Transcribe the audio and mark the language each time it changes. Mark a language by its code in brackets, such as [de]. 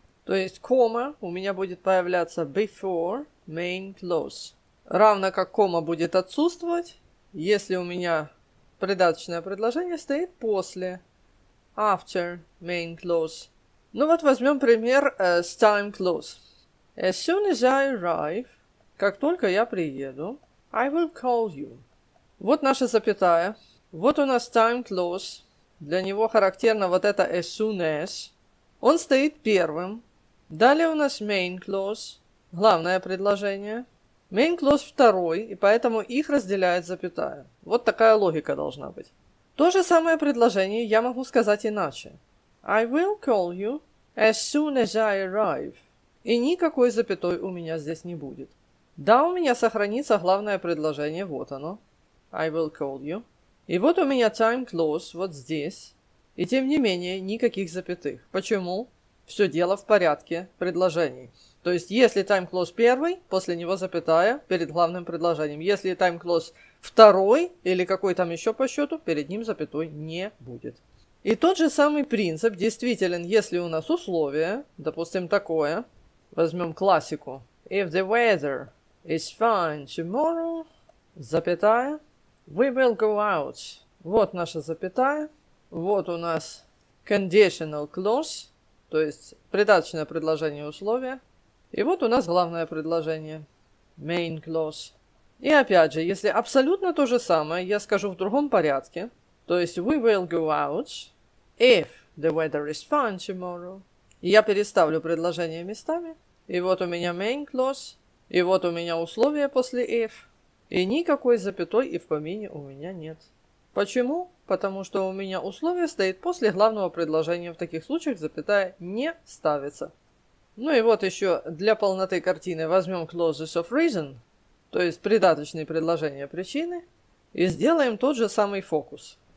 [ru] То есть кома у меня будет появляться [en] before main clause. [ru] Равно как кома будет отсутствовать, если у меня придаточное предложение стоит после, [en] after main clause. [ru] Ну вот возьмем пример с time clause. [en] As soon as I arrive, [ru] как только я приеду, [en] I will call you. [ru] Вот наша запятая. Вот у нас time clause. Для него характерно вот это as soon as. Он стоит первым. Далее у нас main clause, главное предложение. Main clause второй, и поэтому их разделяет запятая. Вот такая логика должна быть. То же самое предложение я могу сказать иначе. [en] I will call you as soon as I arrive. [ru] И никакой запятой у меня здесь не будет. Да, у меня сохранится главное предложение, вот оно. [en] I will call you. [ru] И вот у меня time clause, вот здесь. И тем не менее, никаких запятых. Почему? Все дело в порядке предложений. То есть, если time clause первый, после него запятая перед главным предложением. Если time clause второй или какой там еще по счету, перед ним запятой не будет. И тот же самый принцип действителен, если у нас условие, допустим, такое. Возьмем классику. [en] If the weather is fine tomorrow, [ru] запятая, [en] we will go out. [ru] Вот наша запятая. Вот у нас conditional clause. То есть, придаточное предложение условия. И вот у нас главное предложение. [en] Main clause. [ru] И опять же, если абсолютно то же самое, я скажу в другом порядке. То есть, [en] we will go out if the weather is fine tomorrow. [ru] И я переставлю предложение местами. И вот у меня main clause. И вот у меня условие после if. И никакой запятой и в помине у меня нет. Почему? Потому что у меня условие стоит после главного предложения. В таких случаях запятая не ставится. Ну и вот еще для полноты картины возьмем clauses of reason, то есть придаточные предложения причины, и сделаем тот же самый фокус.